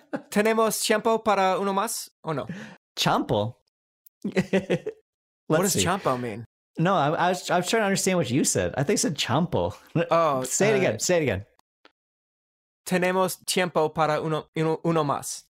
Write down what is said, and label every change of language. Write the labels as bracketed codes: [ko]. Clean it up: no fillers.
[es] Tenemos tiempo para uno más o no? Champo? [en] What does champo mean? No, I was trying to understand what you said. I think it said champo. Oh, say it again. Say it again. [es] Tenemos tiempo para uno más.